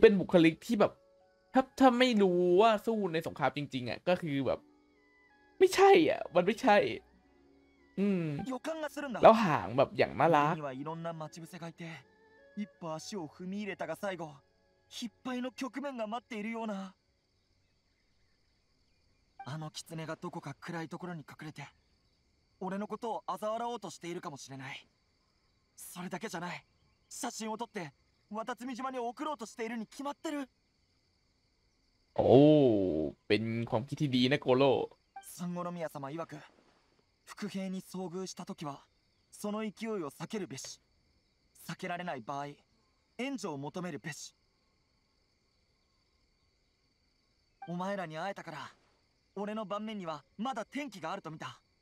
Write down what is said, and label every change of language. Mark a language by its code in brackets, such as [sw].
[th] เป็นบุคลิกที่แบบถ้าไม่รู้ว่าสู้ในสงครามจริงๆอ่ะก็คือแบบไม่ใช่อ่ะมันไม่ใช่ [ja] 予感がするんだ。 [th] แล้วหางแบบอย่างน่ารัก。 [ja] にはいろんな待ち伏せがいて、一歩足を踏み入れたが最後、失敗の局面が待っているような。あの狐がどこか暗いところに隠れて、俺のことを嘲笑おうとしているかもしれない。それだけじゃない。写真を撮って渡辺島に送ろうとしているに決まってる。 [th] おお、เป็นความคิดที่ดีนะโกโร่。 [ja] 三五の宮様曰く。伏兵に遭遇した時はその勢いを避けるべし、避けられない場合援助を求めるべし。お前らに会えたから俺の盤面にはまだ天気があると見た。